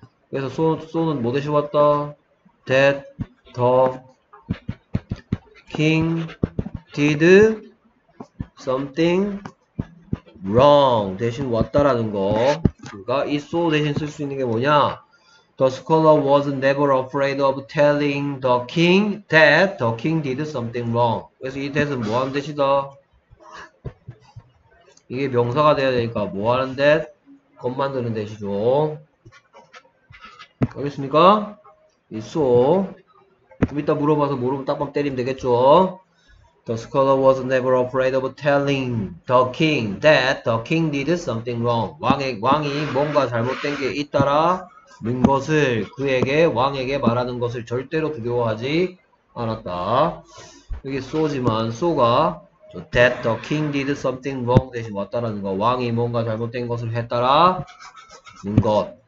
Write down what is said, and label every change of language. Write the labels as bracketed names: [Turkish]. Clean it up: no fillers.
[Korean] 그래서 소는 뭐 대신 왔다? [English] That the king did something wrong [Korean] 대신 왔다라는 거. 그러니까 이 so 대신 쓸수 있는 게 뭐냐? [English] The scholar was never afraid of telling the king that the king did something wrong. [Korean] 그래서 이 that은 뭐 하는 뜻이다? 이게 명사가 돼야 되니까 뭐 하는 that? 것 만드는 뜻이죠. 알겠습니까? 이 so. 좀 이따 물어봐서 모르면 딱밤 때리면 되겠죠. [English] The scholar was never afraid of telling the king that the king did something wrong. [Korean] 왕이 뭔가 잘못된 게 잇따라 는 것을 그에게 왕에게 말하는 것을 절대로 두려워하지 않았다. 이게 so지만 so가 [English] that the king did something wrong [Korean] 대신 왔다라는 거. 왕이 뭔가 잘못된 것을 했다라 는 것.